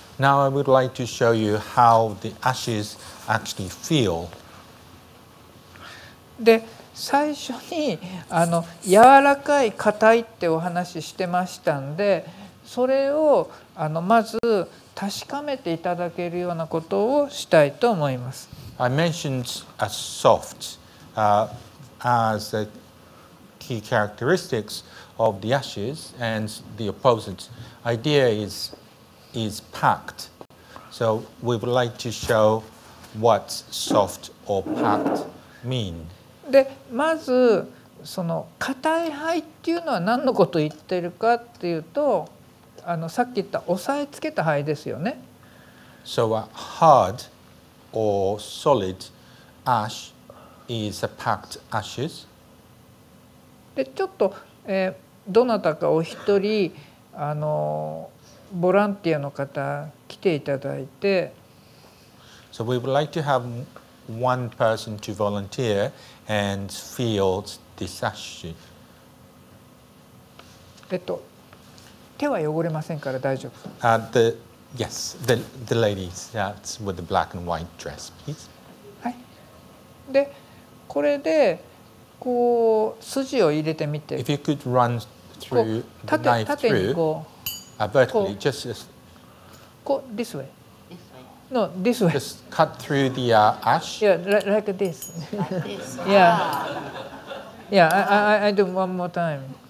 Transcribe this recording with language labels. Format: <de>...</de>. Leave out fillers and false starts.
<en>Now I would like to show you how the ashes actually feel.</en> <ja>で最初にあの柔らかい硬いってお話ししてましたんで、それをあのまず確かめていただけるようなことをしたいと思います。</ja> <en>I mentioned a soft as the key characteristics of the ashes and the opposite idea is packed. So we would like to show what soft or packed mean.</en> <ja>で、まずその硬い肺っていうのは何のことを言ってるかっていうと、あのさっき言った押さえつけた肺ですよね。</ja> <en>So a hard or solid ash is a packed ashes.</en> <ja>でちょっと、どなたかお一人あのボランティアの方来ていただいて。</ja> <en>So we would like to have one person to volunteer and feel this ash.</en> <ja>手は汚れませんから大丈夫。</ja> <en>The lady that's with the black and white dress, please.</en> <ja>はい。で、これでこう筋を入れてみて。</ja> <en>If you could run through the knife through, vertically, just this. こう this way. No, this way. Just cut through the ash. Yeah, like this. I do one more time.</en>